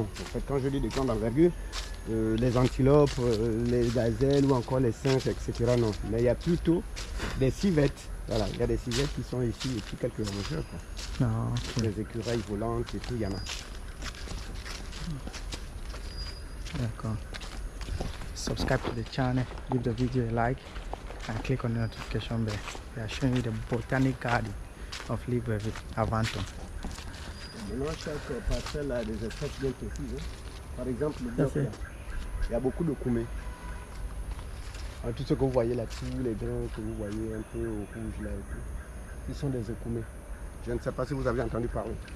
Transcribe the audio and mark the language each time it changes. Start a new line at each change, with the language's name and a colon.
French: En fait, quand je dis de grande envergure, les antilopes, les gazelles ou encore les singes, etc., non. Mais il y a plutôt des civettes. Voilà, il y a des civettes qui sont ici et puis quelques rongeurs. Quoi. Ah, okay. Des écureuils volantes et tout, il y en a. D'accord.
English: Subscribe to the channel, give the video a like and click on the notification bell. They are showing you the botanic garden of Libreville, Avanton.
French: Maintenant, chaque parcelle a des espèces bien précises. Hein. Par exemple, le bloc, il y a beaucoup de coumets. Ah, tout ce que vous voyez là, tous les grains que vous voyez un peu au rouge là et tout, ce sont des ekoumé. Je ne sais pas si vous avez entendu parler.